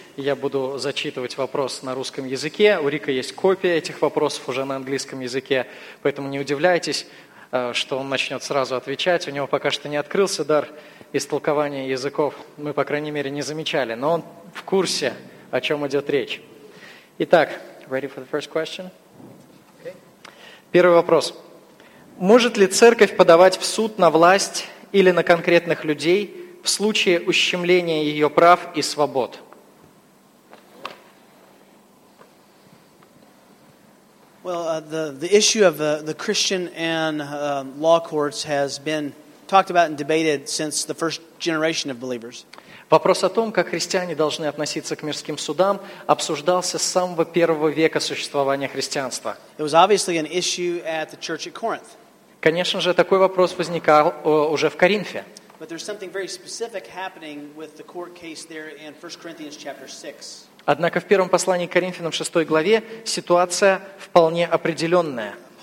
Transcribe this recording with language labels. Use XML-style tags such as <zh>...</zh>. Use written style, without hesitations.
<ru>Я буду зачитывать вопрос на русском языке. У Рика есть копия этих вопросов уже на английском языке. Поэтому не удивляйтесь, что он начнет сразу отвечать. У него пока что не открылся дар истолкования языков. Мы, по крайней мере, не замечали. Но он в курсе, о чем идет речь.</ru> <en>Итак, ready for the first question?</en> <ru>Первый вопрос. Может ли церковь подавать в суд на власть или на конкретных людей в случае ущемления ее прав и свобод?</ru> <en>Well, the issue of the Christian and law courts has been talked about and debated since the first generation of believers.</en> <ru>Вопрос о том, как христиане должны относиться к мирским судам, обсуждался с самого первого века существования христианства. It was obviously an issue at the church at Corinth. Конечно же, такой вопрос возникал уже в Коринфе. Однако в первом послании к Коринфянам 6 главе ситуация вполне определенная.</ru>